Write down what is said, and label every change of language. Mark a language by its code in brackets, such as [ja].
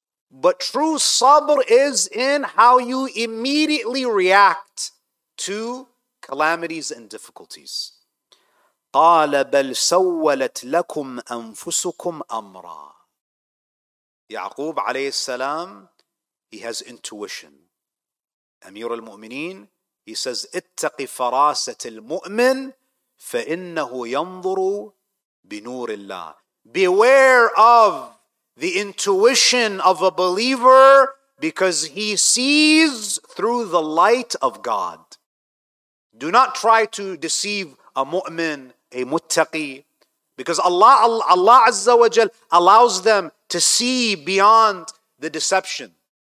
[en] But true sabr is in how you immediately react to calamities and difficulties. [ar] قَالَ بَلْ سَوَّلَتْ لَكُمْ أَنفُسُكُمْ أَمْرًا. [en] Ya'qub alayhi salam, he has intuition. [ar] Amir al-Mu'mineen, he says, اتَّقِ فَرَاسَةِ الْمُؤْمِنِ فَإِنَّهُ يَنْظُرُ بِنُورِ اللَّهِ. [en] Beware of the intuition of a believer, because he sees through the light of God. Do not try to deceive a mu'min, a muttaqi, because Allah Azza wa Jal allows them to see beyond the deception.